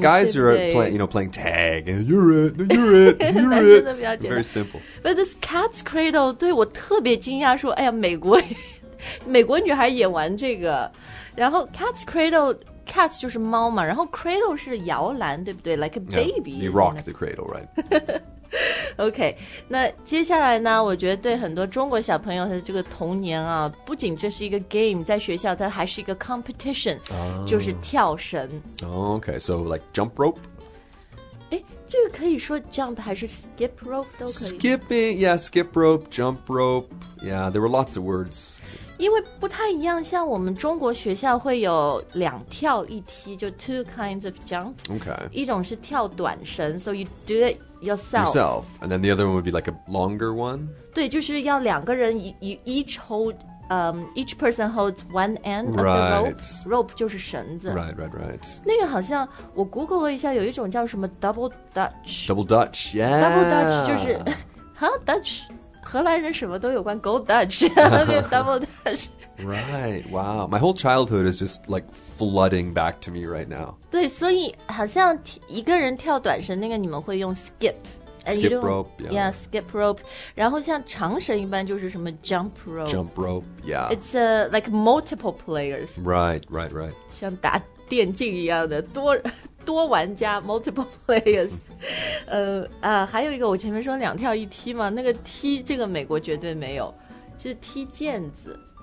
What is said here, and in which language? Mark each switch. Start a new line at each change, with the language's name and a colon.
English: Guys are playing tag and you're it. Very simple. But this cat's cradle
Chinese: 对我特别惊讶说哎呀美国女孩也玩这个。然后 cat's cradle, cat's 就是猫嘛然后 cradle 是摇篮对不对
English: like a baby. Yeah, you rock the cradle, right?
Chinese: OK, 那接下来呢我觉得对很多中国小朋友的这个童年啊不仅这是一个 game, 在学校它还是一个 competition,、 oh. 就是跳绳。
English: OK, so like jump rope?
Chinese: 诶这个可以说 jump 还是 skip rope 都可以。
English: Skipping, yeah, skip rope, jump rope, yeah, there were lots of words.
Chinese: 因为不太一样像我们中国学校会有两跳一踢就
English: two kinds of jump. OK.
Chinese: 一种是跳短绳
English: so you do itYourself, and then the other one would be like a longer one.
Chinese: 对，就是要两个人
English: you each hold, each person holds one end of right. the rope.
Chinese: Rope 就是绳子。
English: Right, right, right.
Chinese: 那个好像我 Google 了一下，有一种叫什么 Double Dutch.
English: Double Dutch, yeah.
Chinese: Double Dutch 就是 huh Dutch, 荷兰人什么都有关 Gold Dutch, Double Dutch.
English: Right, wow. My whole childhood is just like flooding back to me right now.
Chinese: 对，所以好像一个人跳短绳那个你们会用 skip.
English: Skip rope, yeah. Yeah, skip rope.
Chinese: 然后像长绳一般就是什么 jump rope.
English: Jump rope, yeah. It's like multiple players. Right, right, right.
Chinese: 像打电竞一样的多玩家 multiple players. 还有一个我前面说两跳一踢嘛那个踢这个美国绝对没有是踢毽子。